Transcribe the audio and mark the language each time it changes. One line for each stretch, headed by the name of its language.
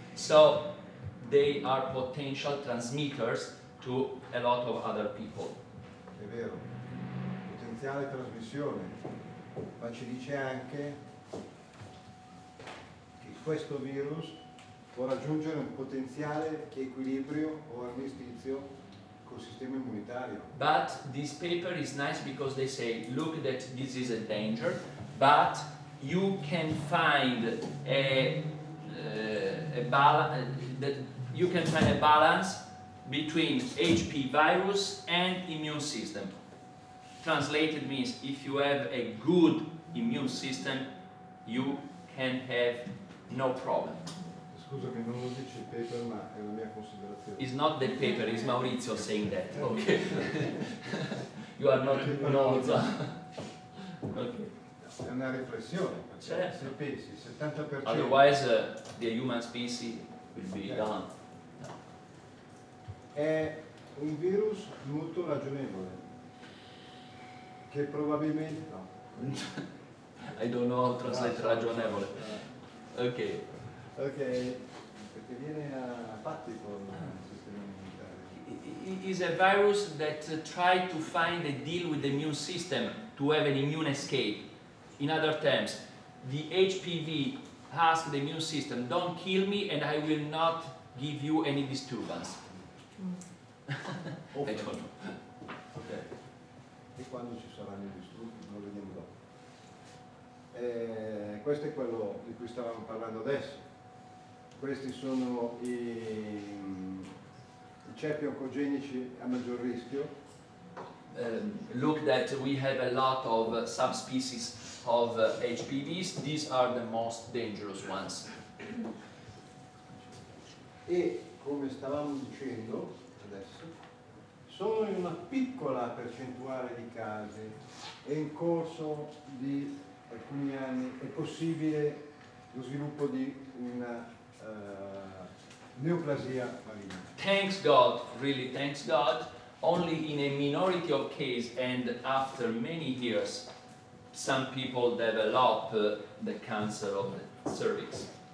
English: So they are potential transmitters to a lot of other people.
Italian: È vero, potenziale trasmissione, ma ci dice anche che questo virus può raggiungere un potenziale equilibrio o armistizio col sistema immunitario.
English: But this paper is nice because they say, look, that this is a danger, but you can find a balance between HP virus and immune system. Translated means, if you have a good immune system, you can have no problem. It's
Italian: Scusa che non lo dice il paper, ma è la mia considerazione.
English: It's not the paper, it's Maurizio saying that. Okay. You are not Noza.
Italian: Okay. È una riflessione. Certo. Se pensi, 70%.
English: Otherwise, the human species will be gone.
Italian: È un virus molto ragionevole. Che probabilmente. No.
English: I don't know how to translate ragionevole. Ok.
Italian: Ok, perché viene a patti con il sistema immunitario.
English: It's a virus that try to find a deal with the immune system to have an immune escape. In other terms, the HPV ask the immune system, don't kill me and I will not give you any disturbance. I don't know.
Italian: Ok. E quando ci saranno i disturbi? Non lo vediamo dopo. Questo è quello di cui stavamo parlando adesso. Questi sono i ceppi oncogenici a maggior rischio.
English: Look that we have a lot of subspecies of HPVs. These are the most dangerous ones.
Italian: E come stavamo dicendo adesso, sono in una piccola percentuale di casi e in corso di alcuni anni è possibile lo sviluppo di una neoplasia maligna.
English: Thanks God, really thanks God, only in a minority of cases and after many years some people develop the cancer of the cervix.